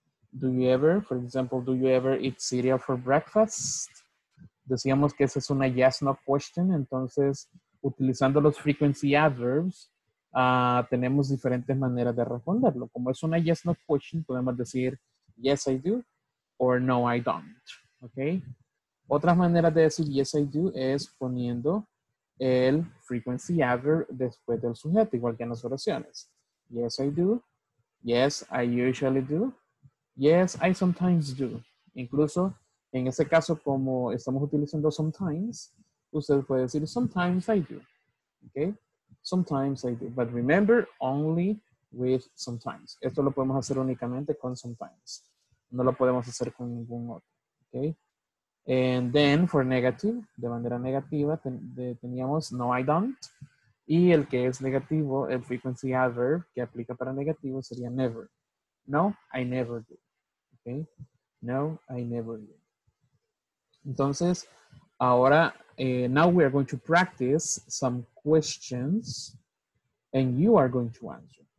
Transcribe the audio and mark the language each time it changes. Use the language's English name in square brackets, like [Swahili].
[English] Do you ever, for example, do you ever eat cereal for breakfast? [Spanish] Decíamos que esa es una yes-no question. Entonces, utilizando los frequency adverbs, tenemos diferentes maneras de responderlo. Como es una [English] yes-no question, [Spanish] podemos decir [English] yes, I do, or no, I don't, okay? [Spanish] Otras maneras de decir [English] yes, I do [Spanish] es poniendo el frequency adverb después del sujeto, igual que en las oraciones. [English] Yes, I do. Yes, I usually do. Yes, I sometimes do. [Spanish] Incluso, en ese caso, como estamos utilizando sometimes, usted puede decir [English] sometimes I do. Okay? Sometimes I do. But remember, only with sometimes. [Spanish] Esto lo podemos hacer únicamente con sometimes. No lo podemos hacer con ningún otro. Okay? [English] And then for negative, [Spanish] de manera negativa, teníamos [English] no, I don't. [Spanish] Y el que es negativo, el frequency adverb que aplica para negativo sería never. [English] No, I never do. Okay? No, I never do. [Spanish] Entonces, ahora, [English] now we are going to practice some questions and you are going to answer.